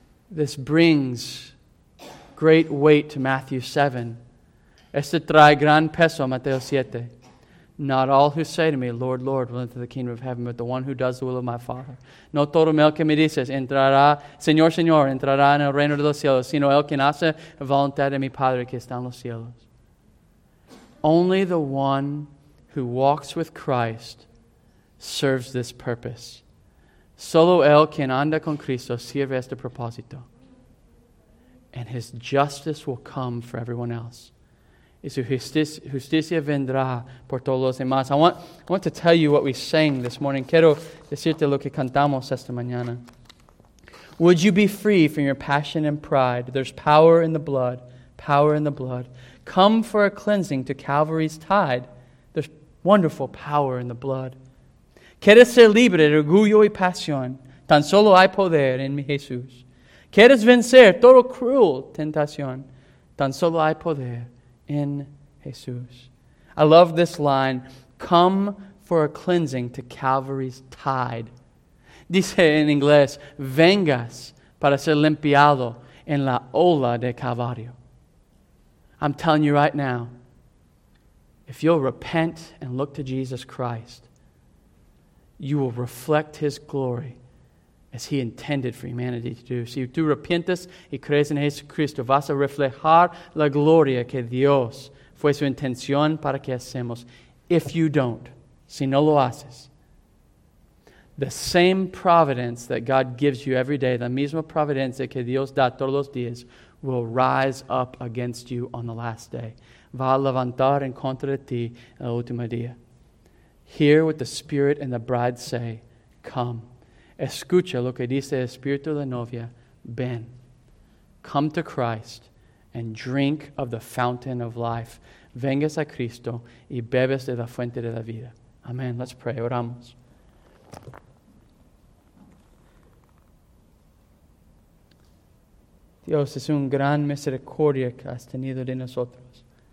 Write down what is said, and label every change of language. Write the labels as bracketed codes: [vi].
[en] This brings great weight to Matthew 7. [es] Este trae gran peso a Mateo 7. [en] Not all who say to me, Lord, Lord, will enter the kingdom of heaven, but the one who does the will of my Father. [es] No todo el que me dices, entrará, Señor, Señor, entrará en el reino de los cielos, sino el que hace la voluntad de mi Padre que está en los cielos. [en] Only the one who walks with Christ serves this purpose. [es] Solo el quien anda con Cristo sirve este propósito. [en] And his justice will come for everyone else. [es] Y su justicia vendrá por todos los demás. [en] I want to tell you what we sang this morning. [es] Quiero decirte lo que cantamos esta mañana. [en] Would you be free from your passion and pride? There's power in the blood, power in the blood. Come for a cleansing to Calvary's tide. There's wonderful power in the blood. [es] ¿Quieres ser libre de orgullo y pasión? Tan solo hay poder en mi Jesús. ¿Quieres vencer todo cruel tentación? Tan solo hay poder en Jesús. [en] I love this line. Come for a cleansing to Calvary's tide. [es] Dice en inglés, vengas para ser limpiado en la ola de Calvario. [en] I'm telling you right now, if you'll repent and look to Jesus Christ, you will reflect his glory as he intended for humanity to do. [es] Si tú arrepientes y crees en Jesucristo, vas a reflejar la gloria que Dios fue su intención para que hacemos. [en] If you don't, [es] si no lo haces, [en] the same providence that God gives you every day, [es] la misma providencia que Dios da todos los días, [en] will rise up against you on the last day. [es] Va a levantar en contra de ti el último día. [en] Hear what the Spirit and the bride say, come. [es] Escucha lo que dice el Espíritu de la novia, ven. [en] Come to Christ and drink of the fountain of life. [es] Vengas a Cristo y bebes de la fuente de la vida. Amen. [en] Let's pray. [es] Oramos. Dios, es un gran misericordia que has tenido de nosotros.